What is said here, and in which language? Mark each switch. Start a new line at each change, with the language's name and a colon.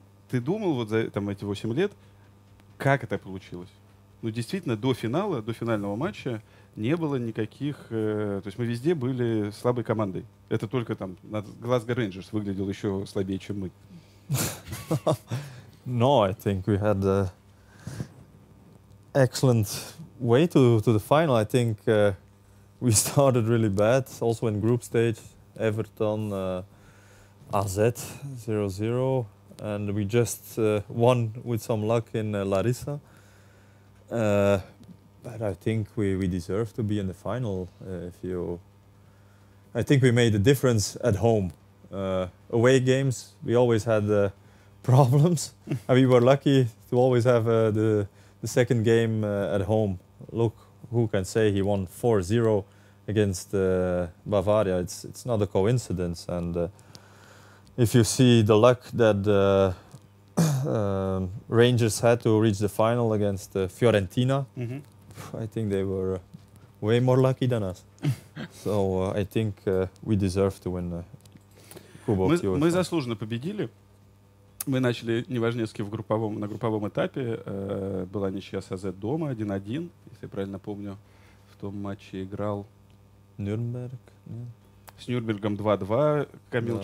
Russian: Ты думал вот за там, эти 8 лет, как это получилось? Ну, действительно, до финала, до финального матча не было никаких... то есть мы везде были слабой командой. Это только там Глазго Рейнджерс выглядел еще слабее, чем мы.
English: No, I think we had an excellent way to the final. I think we started really bad, also in group stage. Everton, AZ, 0-0, and we just won with some luck in Larissa. But I think we deserve to be in the final. I think we made a difference at home. Away games, we always had problems, and we were lucky to always have the second game at home. Look, who can say he won 4-0? Against Bavaria, it's not a coincidence, and if you see the luck that Rangers had to reach the final against Fiorentina, I think they were way more lucky than us. So I think we deserve to win.
Russian: Мы заслуженно победили. Мы начали неважнецки на групповом этапе. Была ничья с АЗ дома 1-1, если я правильно помню, в том матче играл. Нюрнберг. с Нюрнбергом 2-2. Камил, да.